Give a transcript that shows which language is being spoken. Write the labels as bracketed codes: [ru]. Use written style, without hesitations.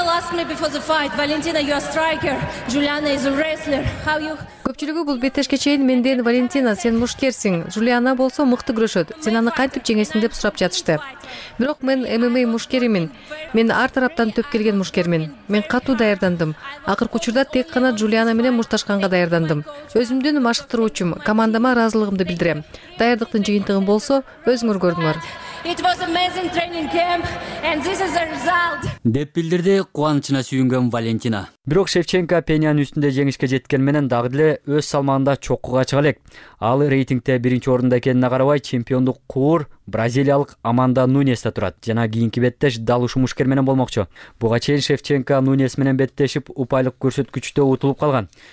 [ky] Көпчүлүгү бул беттешке чейин менден Валентина, сен мушкерсиң, Джулиана болсо мыкты күрөшөт, сен аны кантип жеңесиң деп сурап жатышты. Бирок мен ММА мушкеримин, мен ар тараптан төп келген мушкермин, мен катуу даярдандым. Акыркы учурда тек гана Джулиана менен мушташканга даярдандым. Өзүмдүн машыктыруучум, командама ыраазылыгымды билдирем. Даярдыктын жыйынтыгы болсо өзүңөр көрдүңөр. [en] It was amazing training camp and this is the result. [ky] Деп билдирди кубанычына сүйүнгөн Валентина. Бирок Шевченко Пенянын үстүндө жеңишке жеткен менен дагы деле өз салмагында чокуга чыга элек. Ал рейтингте биринчи орунда экенине карабай чемпиондук куур бразилиялык Аманда Нунеста турат жана кийинки беттеш дал ушул мушкер менен болмокчу. Буга чейин Шевченко Нунес менен беттешип упайлык көрсөткүчтө утулуп калган.